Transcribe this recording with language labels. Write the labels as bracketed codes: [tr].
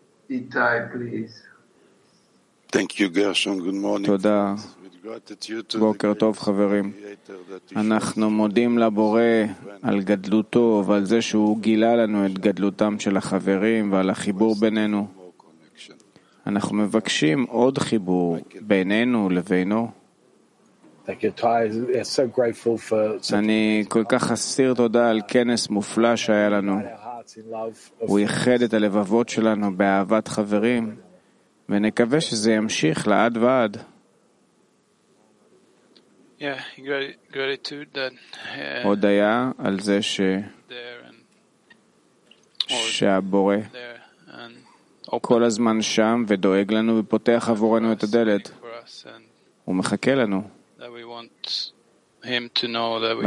[en] איתי, please. Thank you, Gershon. Good morning. [he] תודה. בוקר טוב חברים, אנחנו מודים לבורא על גדלותו ועל זה שהוא גילה לנו את גדלותם של החברים ועל החיבור בינינו. אנחנו מבקשים עוד חיבור בינינו לבינו. אני כל כך אסיר תודה על כנס מופלא שהיה לנו. הוא ייחד את הלבבות שלנו באהבת חברים, ונקווה שזה ימשיך לעד ועד. [en] Yeah, gratitude that [he] הודיה על זה ש שהבורא כל הזמן שם ודואג לנו ופותח עבורנו את הדלת. הוא מחכה לנו. [en] That we want him to know that we